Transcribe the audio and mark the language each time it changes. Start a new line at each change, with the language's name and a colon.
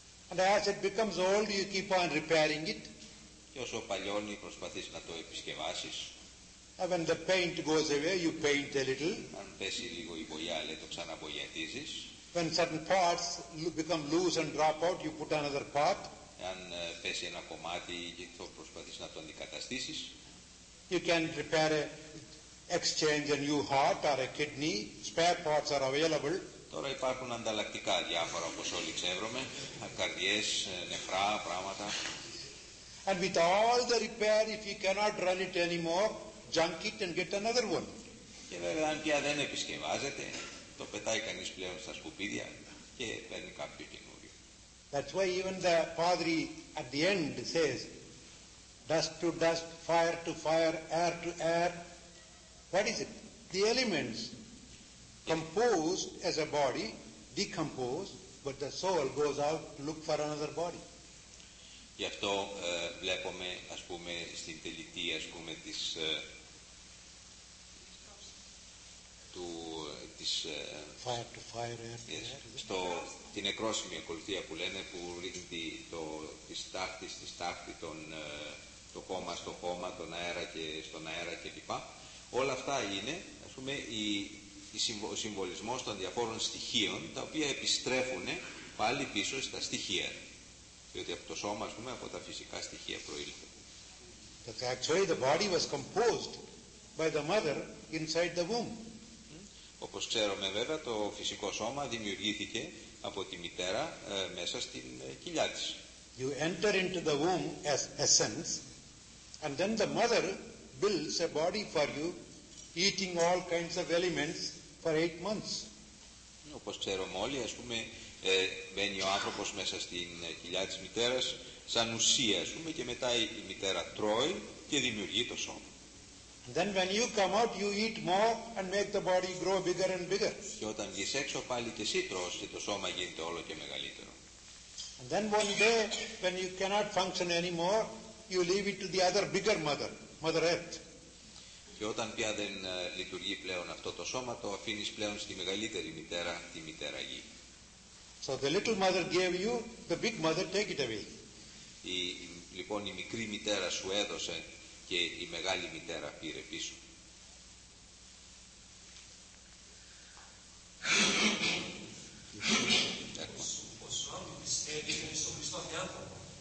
English: And as it becomes old, you keep on repairing it.
Greek: Και όσο παλιώνει, προσπαθείς να το επισκευάσεις.
English: And when the paint goes away, you paint a little.
Greek: Αν πέσει λίγο η μπογιά, το ξαναμπογιατίζεις.
English: When certain parts become loose and drop out, you put another part.
Greek: Αν πέσει ένα κομμάτι και το προσπαθείς να το αντικαταστήσεις.
English: You can repair a, exchange a new heart or a kidney. Spare parts are available.
Greek: Τώρα υπάρχουν ανταλλακτικά διάφορα, όπως όλοι ξέρουμε. Καρδιές, νεφρά, πράγματα.
English: And with all the repair, if you cannot run it anymore, junk it and get another one.
Greek: Και βέβαια, αν πια δεν επισκευάζεται, το πετάει κανείς πλέον στα σκουπίδια και παίρνει κάποιο κοινό.
English: That's why even the Padri at the end says, dust to dust, fire to fire, air to air. What is it? The elements composed as a body, decomposed, but the soul goes out to look for another body.
Greek: Γι' αυτό βλέπουμε, ας πούμε, στην τελική, ας πούμε, της,
English: fire to fire, air to air.
Greek: Στο, την νεκρόσιμη ακολουθία που λένε, που ρίχνει τη στάχτη στη στάχτη, το χώμα στο χώμα, τον αέρα και στον αέρα κλπ. Όλα αυτά είναι, ας πούμε, ο συμβολισμός των διαφόρων στοιχείων, τα οποία επιστρέφουν πάλι πίσω στα στοιχεία. Διότι από το σώμα, ας πούμε, από τα φυσικά στοιχεία προήλθε.
English: Actually, the body was composed by the mother inside the womb.
Greek: Όπως ξέρουμε βέβαια, το φυσικό σώμα δημιουργήθηκε από τη μητέρα μέσα στην κοιλιά της.
English: You enter into the womb as essence, and then the mother builds a body for you, eating all kinds of elements for 8 months.
Greek: Όπως ξέρουμε όλοι, ας πούμε, μπαίνει ο άνθρωπος μέσα στην κοιλιά της μητέρας σαν ουσία, ας πούμε, και μετά η μητέρα τρώει και δημιουργεί το σώμα.
English: Then when you come out, you eat more and make the body grow bigger and bigger.
Greek: Και όταν βγεις έξω, πάλι και εσύ τρως και το σώμα γίνεται όλο και μεγαλύτερο.
English: And then one day, when you cannot function anymore, you leave it to the other bigger mother, Mother Earth.
Greek: Και όταν πια δεν λειτουργεί πλέον αυτό το σώμα, το αφήνεις πλέον στη μεγαλύτερη μητέρα, τη μητέρα Γη.
English: So the little mother gave you, the big mother take it away.
Greek: Λοιπόν, η μικρή μητέρα σου έδωσε και η μεγάλη μητέρα πήρε πίσω. Ο Σουάμι πιστεύει στον Χριστό διάνθρωπο.